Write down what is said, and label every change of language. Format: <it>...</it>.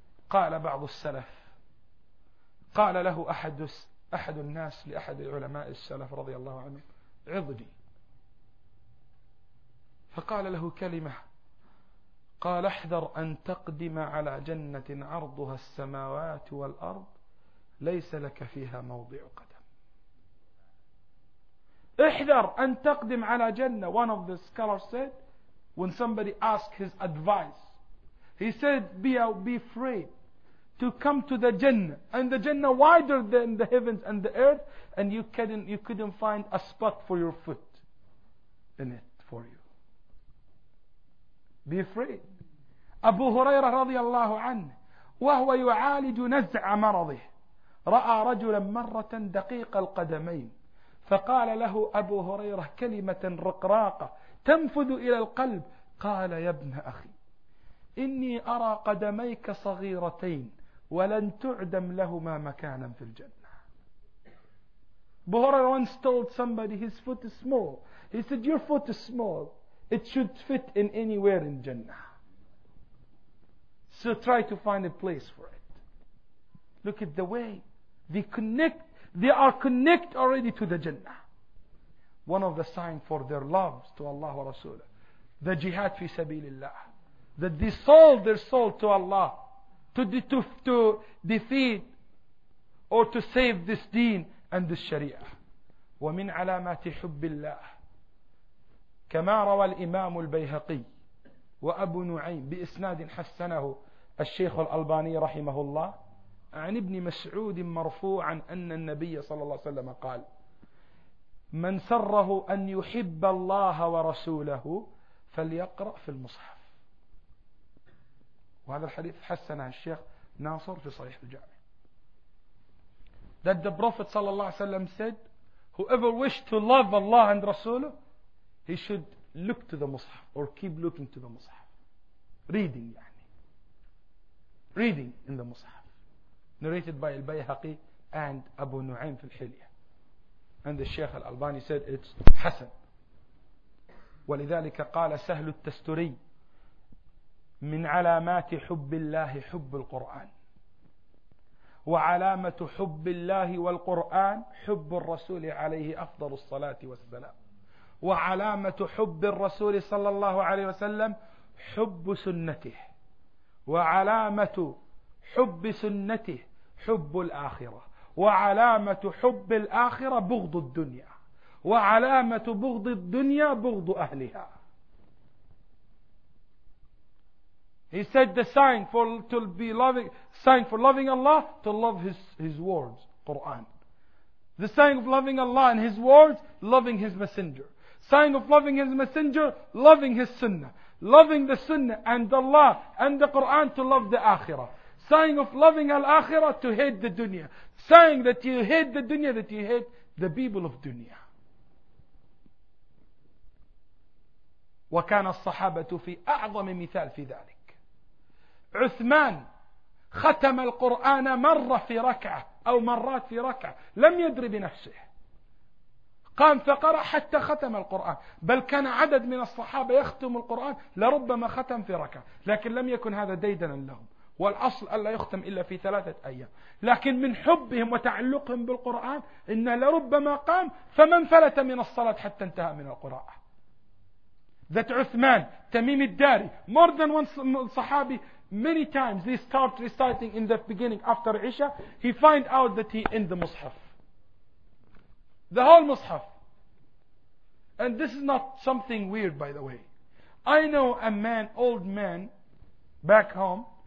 <ar>قال بعض السلف, قال له أحد الناس لأحد علماء السلف رضي الله عنه عظني, فقال له كلمة, قال احذر أن تقدم على جنة عرضها السماوات والأرض ليس لك فيها موضع قدم. احذر أن تقدم على جنة.</ar> <en>One of the scholars said when somebody asked his advice, he said be afraid to come to the Jannah, and the Jannah wider than the heavens and the earth, and you couldn't find a spot for your foot in it for you. Be afraid.</en> <ar>أبو هريرة رضي الله عنه وهو يعالج نزع مرضه رأى رجلا مرة دقيق القدمين, فقال له أبو هريرة كلمة رقراقة تنفذ إلى القلب, قال يا ابن أخي إني أرى قدميك صغيرتين ولن تعدم لهما مكانا في الجنة.</ar> <en>Buhara once told somebody his foot is small. He said your foot is small, it should fit in anywhere in Jannah, so try to find a place for it. Look at the way they connect, they are connect already to the Jannah. One of the signs for their loves to Allah wa Rasulah, the jihad fi sabilillah, that they sold their soul to Allah to defeat or to save this deen and this sharia.</en> <ar>ومن علامات حب الله كما روى الإمام البيهقي وأبو نعيم بإسناد حسنه الشيخ الألباني رحمه الله عن ابن مسعود مرفوعا أن النبي صلى الله عليه وسلم قال من سره أن يحب الله ورسوله فليقرأ في المصحف. وهذا الحديث حسنه الشيخ ناصر في صحيح الجامع.</ar> <en>That the Prophet صلى الله عليه وسلم said whoever wished to love Allah and Rasulah he should look to the Mus'haf or keep looking to the Mus'haf, reading</en> <ar>يعني,</ar> <en>reading in the Mus'haf. Narrated by البيهقي and أبو نعيم في الحلية, and the Sheikh الألباني said it's حسن.</en> <ar>ولذلك قال سهل التستري من علامات حب الله حب القرآن, وعلامة حب الله والقرآن حب الرسول عليه أفضل الصلاة والسلام, وعلامة حب الرسول صلى الله عليه وسلم حب سنته, وعلامة حب سنته حب الآخرة, وعلامة حب الآخرة بغض الدنيا, وعلامة بغض الدنيا بغض أهلها.</ar> <en>He said the sign for to be loving, sign for loving Allah to love his words, Quran. The sign of loving Allah and his words, loving his messenger. Sign of loving his messenger, loving his sunnah. Loving the Sunnah and Allah and the Quran to love the Akhirah. Saying of loving Al-Akhirah to hate the dunya. Saying that you hate the dunya, that you hate the people of dunya.</en> <ar>وكان الصحابة في أعظم مثال في ذلك. عثمان ختم القرآن مرة في ركعة أو مرات في ركعة لم يدري بنفسه, قام فقرأ حتى ختم القرآن, بل كان عدد من الصحابة يختم القرآن لربما ختم في ركعة, لكن لم يكن هذا ديدنا لهم, والأصل ألا يختم إلا في ثلاثة أيام, لكن من حبهم وتعلقهم بالقرآن إن لربما قام فمن فلت من الصلاة حتى انتهى من القرآن.</ar> <en>That Uthman, Tamim al-Dari, more than one Sahabi, many times they start reciting in the beginning after Isha, he find out that he in the Mus'haf. The whole Mus'haf. And this is not something weird, by the way. I know a man, old man, back home.</en>